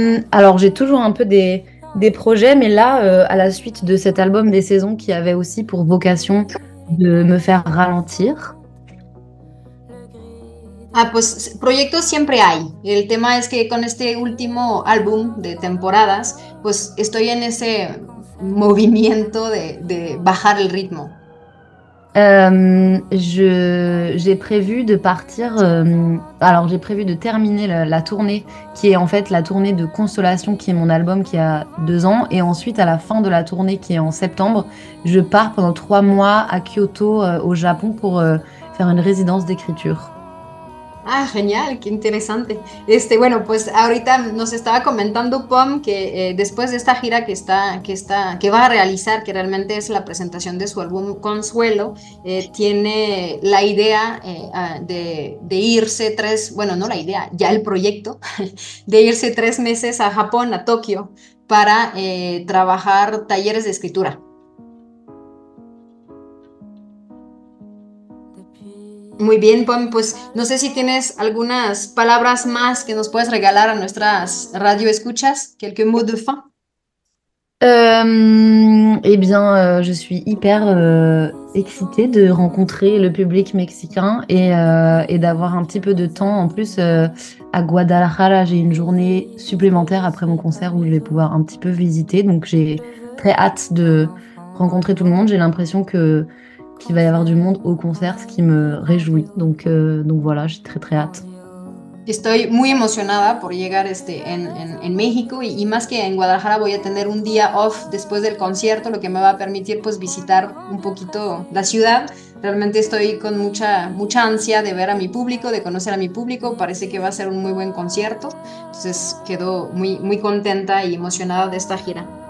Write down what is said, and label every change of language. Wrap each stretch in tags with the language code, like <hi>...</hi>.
<fr>Alors, j'ai toujours un peu des projets, mais là, à la suite de cet album des saisons qui avait aussi pour vocation de me faire ralentir.</fr> <es>Ah, pues proyectos siempre hay. El tema es que con este último álbum de temporadas, pues estoy en ese movimiento de bajar el ritmo.</es> <fr>J'ai prévu de partir. Alors j'ai prévu de terminer la tournée qui est en fait la tournée de Consolation, qui est mon album qui a 2 ans. Et ensuite à la fin de la tournée qui est en septembre, je pars pendant 3 mois à Kyoto au Japon pour faire une résidence d'écriture.</fr> <es>Ah, genial, qué interesante. Bueno, pues ahorita nos estaba comentando Pom que después de esta gira que va a realizar, que realmente es la presentación de su álbum Consuelo, tiene la idea de irse el proyecto de irse 3 meses a Japón, a Tokio, para trabajar talleres de escritura. Muy bien, pues no sé si tienes algunas palabras más que nos puedes regalar a nuestras radioescuchas,</es> <fr>quelques mots de fin. Je suis hyper excitée de rencontrer le public mexicain et d'avoir un petit peu de temps en plus à Guadalajara. J'ai une journée supplémentaire après mon concert où je vais pouvoir un petit peu visiter, donc j'ai très hâte de rencontrer tout le monde. J'ai l'impression que qu'il va y avoir du monde au concert, ce qui me réjouit. Donc voilà, j'ai très très hâte.</fr> <es>Estoy muy emocionada por llegar en México y más que en Guadalajara voy a tener un día off después del concierto, lo que me va a permitir pues visitar un poquito la ciudad. Realmente estoy con mucha mucha ansia de ver a mi público, de conocer a mi público. Parece que va a ser un muy buen concierto. Entonces quedo muy muy contenta y emocionada de esta gira.</es>